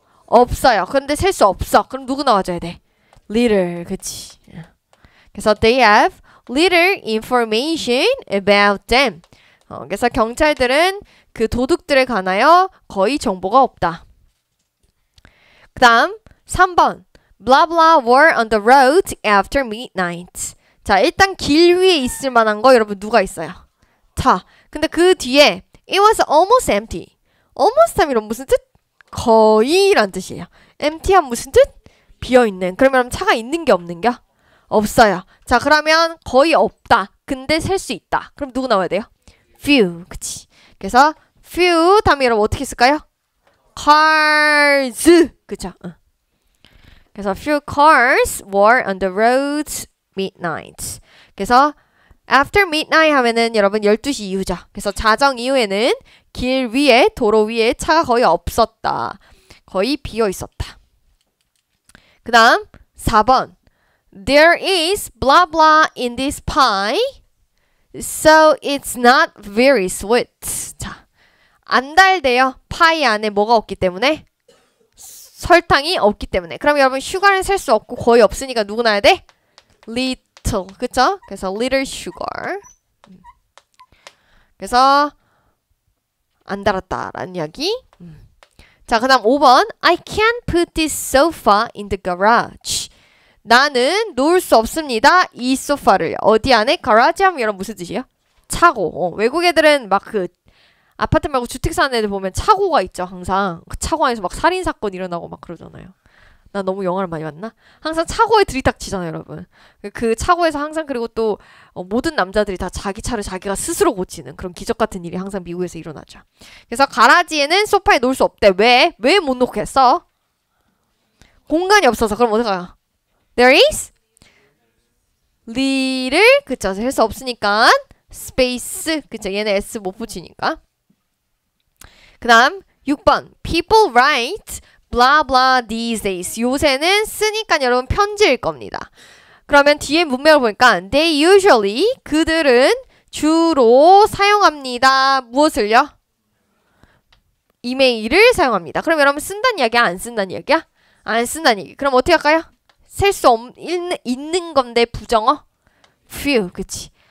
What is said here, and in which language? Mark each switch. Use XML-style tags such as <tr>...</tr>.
<ko>없어요. 그런데 셀수 없어. 그럼 누구 나와줘야 돼? little, 그치? 그래서</ko> <en>they have little information about them.</en> <ko>그래서 경찰들은 그 도둑들에 관하여 거의 정보가 없다. 그다음 3번.</ko> <en>blah blah were on the road after midnight.</en> <ko>자, 일단 길 위에 있을 만한 거 여러분 누가 있어요? 차. 근데 그 뒤에</ko> <en>it was almost empty.</en> <ko>almost 하면 이런 무슨 뜻? 거의 란 뜻이에요. empty 하면 무슨 뜻? 비어 있는. 그러면 차가 있는 게 없는 겨? 없어요. 자, 그러면 거의 없다. 근데 셀수 있다. 그럼 누구 나와야 돼요? few. 그치. 그래서 few 다음에 여러분 어떻게 쓸까요? cars. 그쵸? 그래서</ko> <en>few cars were on the roads midnight.</en> <ko>그래서 after midnight 하면은 여러분 12시 이후죠. 그래서 자정 이후에는 길 위에, 도로 위에 차가 거의 없었다. 거의 비어 있었다. 그 다음, 4번.</ko> <en>There is blah blah in this pie, so it's not very sweet.</en> <ko>자, 안 달대요. 파이 안에 뭐가 없기 때문에? 설탕이 없기 때문에. 그럼 여러분, 슈가는 셀수 없고 거의 없으니까 누구 놔야 돼?</ko> <en>little.</en> <ko>그쵸? 그래서</ko> <en>little sugar.</en> <ko>그래서, 안 달았다라는 이야기. 자, 그 다음 5번.</ko> <en>I can't put this sofa in the garage.</en> <ko>나는 놓을 수 없습니다. 이 소파를. 어디 안에? 가라지 하면 여러분 무슨 뜻이에요? 차고. 외국 애들은 막그 아파트 말고 주택 사는 애들 보면 차고가 있죠, 항상. 그 차고 안에서 막 살인사건 일어나고 막 그러잖아요. 나 너무 영화를 많이 봤나? 항상 차고에 들이닥치잖아요, 여러분. 그 차고에서 항상 그리고 또 모든 남자들이 다 자기 차를 자기가 스스로 고치는 그런 기적 같은 일이 항상 미국에서 일어나죠. 그래서 가라지에는 소파에 놓을 수 없대. 왜? 왜못 놓겠어? 공간이 없어서. 그럼 어디 가요?</ko> <en>There is little,</en> <ko>그쵸? 할수 없으니까 space, 그쵸? 얘네 S 못 붙이니까. 그다음 6번,</ko> <en>people write blah blah these days.</en> <ko>요새는 쓰니까 여러분 편지일 겁니다. 그러면 뒤에 문맥을 보니까</ko> <en>they usually</en> <ko>그들은 주로 사용합니다. 무엇을요? 이메일을 사용합니다. 그럼 여러분 쓴다는 이야기야? 안 쓴다는 이야기야? 안 쓴다는 이야기. 그럼 어떻게 할까요? 셀수 있는 건데 부정어? few. 그치?</ko>